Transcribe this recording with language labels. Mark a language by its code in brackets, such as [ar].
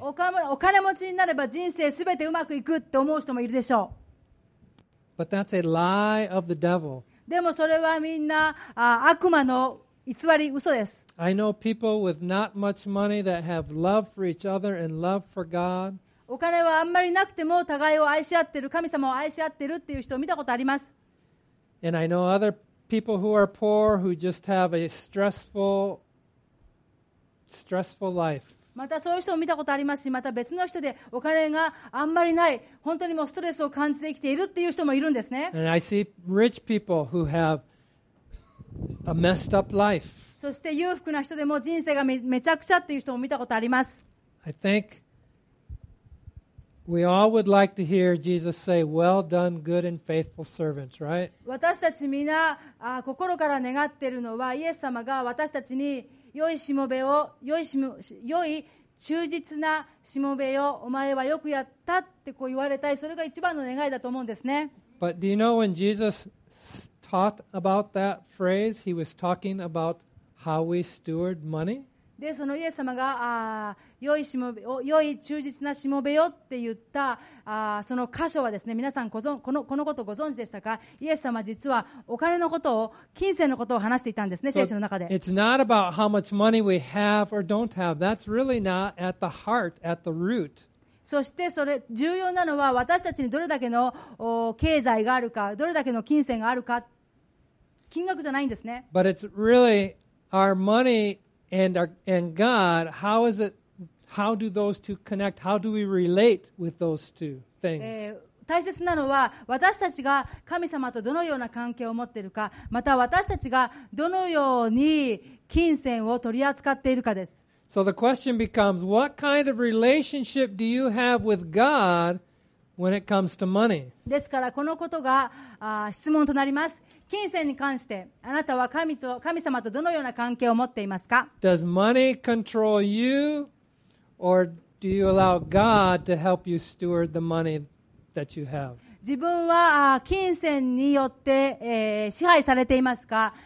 [ja] お金持ちになれば人生すべてうまくいくって思う人もいるでしょう。 [en] But that's a lie of the devil. [ja] でもそれはみんな悪魔の偽り、嘘です。 [en] I know people with not much money that have love for each other and love for God. [ja] お金はあんまりなくても互いを愛し合ってる、神様を愛し合ってるっていう人を見たことあります。 [en] And I know other people who are poor who just have a stressful life. [ja] またそういう人も見たことありますし、また別の人でお金があんまりない、本当にもうストレスを感じて生きているっていう人もいるんですね。 [en] And I see rich people who have a messed up life. [ja] そして裕福な人でも人生がめちゃくちゃっていう人も見たことあります。 [en] I thinkWe all would like to hear Jesus say, "Well done, good and faithful servant," right? [ja] 私たちみんな心から願っているのは、イエス様が私たちに良いしもべを、良い忠実なしもべよ、お前はよくやったってこう言われたい、それが一番の願いだと思うんですね。 [en] But do you know when Jesus taught about that phrase, he was talking about how we steward money? [ja] でそのイエス様が良い忠実なしもべよって言ったその箇所はですね、皆さんこのことをご存知でしたか。イエス様は実はお金のことを、金銭のことを話していたんですね、聖書の中で。 [en] It's not about how much money we have or don't have. That's really not at the heart, at the root. [ja] そしてそれ重要なのは、私たちにどれだけの経済があるか、どれだけの金銭があるか、金額じゃないんですね。 [en] But it's really our money and God. How is it? How do those two connect? How do we relate with those two things? [ja] 大切なのは、私たちが神様とどのような関係を持っているか、また私たちがどのように金銭を取り扱っているかです。 [en] So the question becomes, what kind of relationship do you have with God when it comes to money? [ja] ですからこのことが質問となります。金銭に関して、あなたは神様とどのような関係を持っていますか? [en] Does money control you, or do you allow God to help you steward the money that you have? [ja] 自分は金銭によって支配されていますか?